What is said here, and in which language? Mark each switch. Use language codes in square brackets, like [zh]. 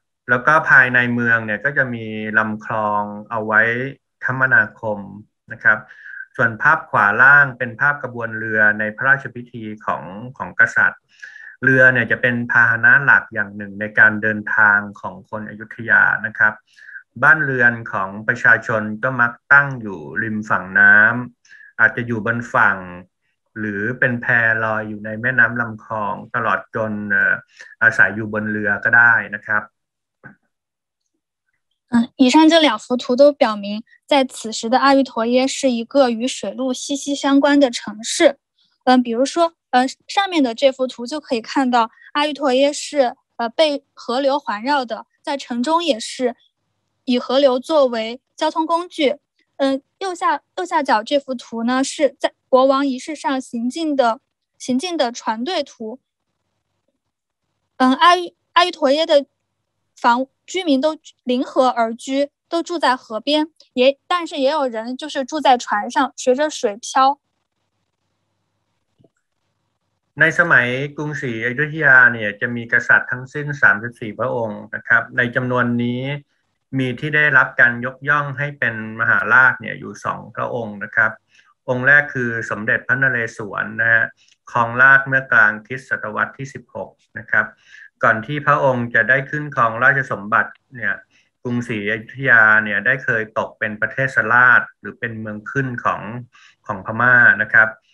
[th] แล้วก็ภายในเมืองเนี่ยก็จะมีลำคลองเอาไว้คมนาคมนะครับส่วนภาพขวาล่างเป็นภาพกระบวนเรือในพระราชพิธีของกษัตริย์เรือเนี่ยจะเป็นพาหนะหลักอย่างหนึ่งในการเดินทางของคนอยุธยานะครับบ้านเรือนของประชาชนก็มักตั้งอยู่ริมฝั่งน้ำอาจจะอยู่บนฝั่งหรือเป็นแพลอยอยู่ในแม่น้ำลำคลองตลอดจนอาศัยอยู่บนเรือก็ได้นะครับ [zh] 以上这两幅图都表明在此时的阿育陀耶是一个与水路息息相关的城市。比如说上面的这幅图就可以看到阿育陀耶是被河流环绕的，在城中也是以河流作为交通工具。右下角这幅图呢是在国王仪式上行进的船队图。阿育陀耶的房居民都临河而居，都住在河边，但是也有人就是住在船上，随着水漂。 [th] ในสมัยกรุงศรีอยุธยาเนี่ยจะมีกษัตริย์ทั้งสิ้น34พระองค์นะครับในจำนวนนี้มีที่ได้รับการยกย่องให้เป็นมหาราชเนี่ยอยู่2พระองค์นะครับองค์แรกคือสมเด็จพระนเรศวรนะฮะครองราชเมื่อกลางคริสต์ศตวรรษที่16นะครับก่อนที่พระองค์จะได้ขึ้นครองราชสมบัติเนี่ยกรุงศรีอยุธยาเนี่ยได้เคยตกเป็นประเทศราชหรือเป็นเมืองขึ้นของพม่านะครับ